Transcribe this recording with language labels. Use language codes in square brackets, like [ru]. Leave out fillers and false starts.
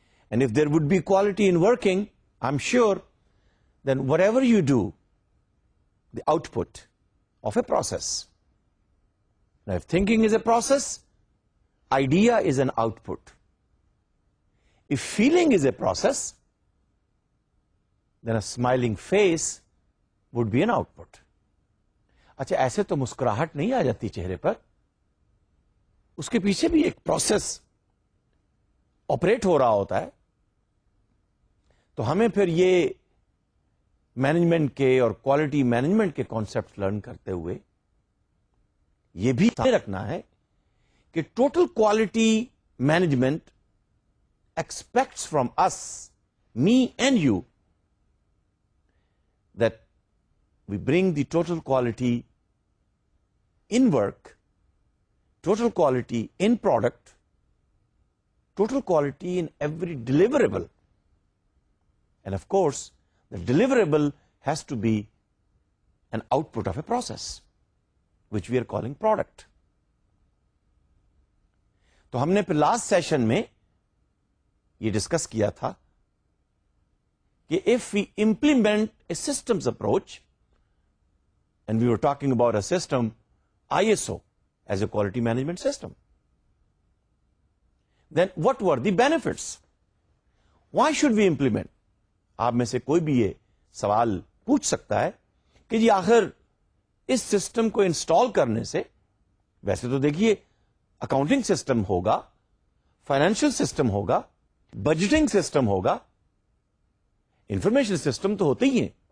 [en] And if there would be quality in working, I'm sure, then whatever you do, the output of a process. Now, if thinking is a process, idea is an output. If feeling is a process, then a smiling face would be an output. [ur] اچھا ایسے تو مسکراہٹ نہیں آ جاتی چہرے پر, اس کے پیچھے بھی ایک پروسیس آپریٹ ہو رہا ہوتا ہے. تو ہمیں پھر یہ مینجمنٹ کے اور کوالٹی مینجمنٹ کے کانسیپٹ لرن کرتے ہوئے یہ بھی سامنے رکھنا ہے کہ [en] Total quality management expects from us, me and you, that we bring the total quality in work, total quality in product, total quality in every deliverable. And of course, the deliverable has to be an output of a process, which we are calling product. [ur] To humne phir last session mein ye discuss kiya tha ki [en] if we implement a systems approach, and we were talking about a system ISO as a quality management system, then what were the benefits? Why should we implement? [ur] آپ میں سے کوئی بھی یہ سوال پوچھ سکتا ہے کہ جی آخر اس سسٹم کو انسٹال کرنے سے, ویسے تو دیکھیے اکاؤنٹنگ سسٹم ہوگا, فائنینشیل سسٹم ہوگا, بجٹنگ سسٹم ہوگا, انفارمیشن سسٹم تو ہوتے ہی ہیں.